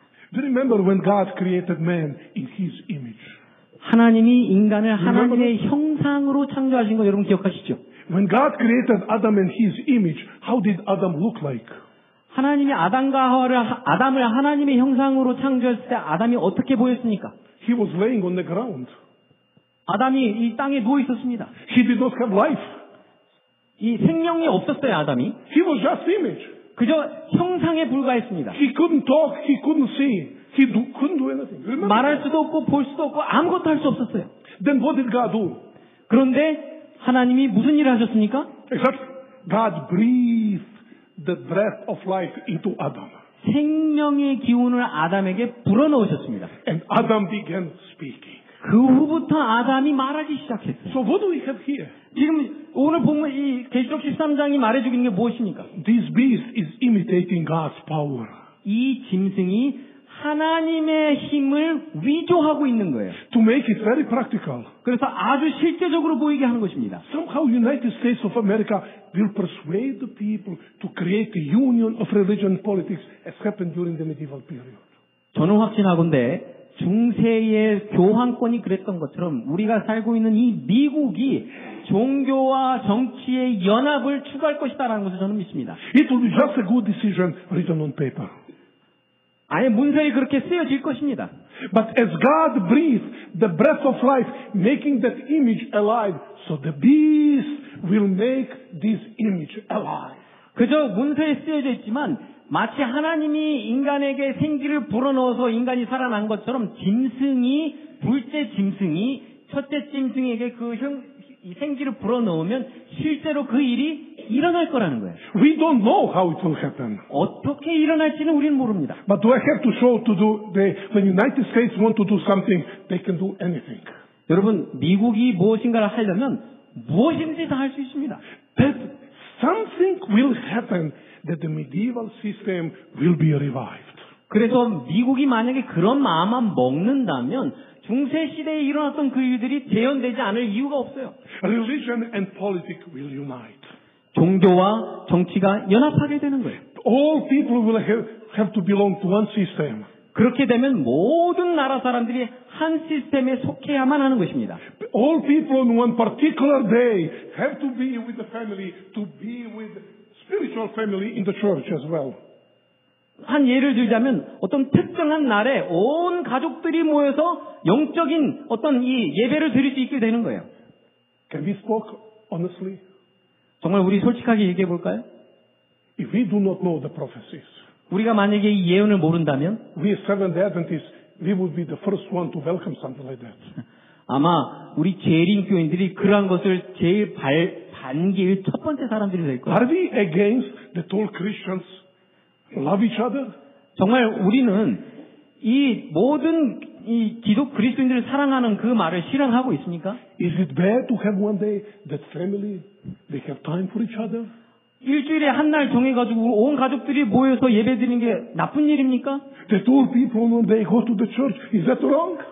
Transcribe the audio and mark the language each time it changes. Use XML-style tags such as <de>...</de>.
<en>Do you remember when God created man in His image?</en> <ko>하나님이 인간을 하나님의 형상으로 창조하신 거 여러분 기억하시죠?</ko> <en>When God created Adam in His image, how did Adam look like?</en> <ko>하나님이 아담과 하와를 아담을 하나님의 형상으로 창조했을 때 아담이 어떻게 보였습니까?</ko> <en>He was laying on the ground.</en> <ko>아담이 이 땅에 누워 있었습니다.</ko> <en>He did not have life.</en> <ko>이 생명이 없었어요 아담이.</ko> <en>He was just image.</en> <ko>그저 형상에 불과했습니다.</ko> <en>He couldn't talk. He couldn't see. He couldn't do anything.</en> <ko>말할 수도 없고 볼 수도 없고 아무것도 할 수 없었어요.</ko> <en>Then what did God do?</en> <ko>그런데 하나님이 무슨 일을 하셨습니까?</ko> <en>Exactly. God breathed the breath of life into Adam.</en> <ko>생명의 기운을 아담에게 불어넣으셨습니다.</ko> <en>And Adam began speaking.</en> <ko>그 후부터 아담이 말하기 시작했어요.</ko> <en>So what do we have here?</en> <ko>지금 오늘 보면 이 계시록 13장이 말해주고 있는 게 무엇입니까?</ko> <en>This beast is imitating God's power.</en> <ko>이 짐승이 하나님의 힘을 위조하고 있는 거예요.</ko> <en>To make it very practical.</en> <ko>그래서 아주 실제적으로 보이게 하는 것입니다.</ko> <en>Somehow United States of America will persuade the people to create a union of religion and politics as happened during the medieval period.</en> <ko>저는 확신하건대 중세의 교황권이 그랬던 것처럼 우리가 살고 있는 이 미국이 종교와 정치의 연합을 추구할 것이다라는 것을 저는 믿습니다.</ko> <en>It will be just a good decision written on paper.</en> <ko>아예 문서에 그렇게 쓰여질 것입니다.</ko> <en>But as God breathed the breath of life, making that image alive, so the beast will make this image alive.</en> <ko>그저 문서에 쓰여져 있지만 마치 하나님이 인간에게 생기를 불어넣어서 인간이 살아난 것처럼 짐승이 둘째 짐승이 첫째 짐승에게 그 생기를 불어넣으면 실제로 그 일이 일어날 거라는 거예요.</ko> <en>We don't know how it will happen.</en> <ko>어떻게 일어날지는 우리는 모릅니다.</ko> <en>But do I have to show to do the when United States want to do something, they can do anything.</en> <ko>여러분, 미국이 무엇인가를 하려면 무엇인지 다 할 수 있습니다.</ko> <en>That something will happen that the medieval system will be revived.</en> <ko>그래서 미국이 만약에 그런 마음만 먹는다면 중세 시대에 일어났던 그 일들이 재현되지 않을 이유가 없어요.</ko> <en>Religion and politics will unite.</en> <ko>종교와 정치가 연합하게 되는 거예요.</ko> <en>All people will have to belong to one system.</en> <ko>그렇게 되면 모든 나라 사람들이 한 시스템에 속해야만 하는 것입니다.</ko> <en>All people on one particular day have to be with the family to be with spiritual family in the church as well.</en> <ko>한 예를 들자면 어떤 특정한 날에 온 가족들이 모여서 영적인 어떤 이 예배를 드릴 수 있게 되는 거예요.</ko> <en>Can we speak honestly?</en> <ko>정말 우리 솔직하게 얘기해 볼까요?</ko> <en>If we do not know the prophecies.</en> <ko>우리가 만약에 이 예언을 모른다면</ko> <en>we Seventh-day Adventists we would be the first one to welcome something like that.</en> <ko>아마 우리 재림 교인들이 그러한 것을 제일 반길 첫 번째 사람들이 될 거예요.</ko> <en>Are we against the tall Christians love each other?</en> <ko>정말 우리는 이 모든 이 기독 그리스도인들을 사랑하는 그 말을 실현하고 있습니까?</ko> <en>Is it bad to have one day that family they have time for each other?</en> <ko>일주일에 한 날 정해가지고 온 가족들이 모여서 예배 드리는 게 나쁜 일입니까?</ko> <en>The tall people when they go to the church is that wrong?</en>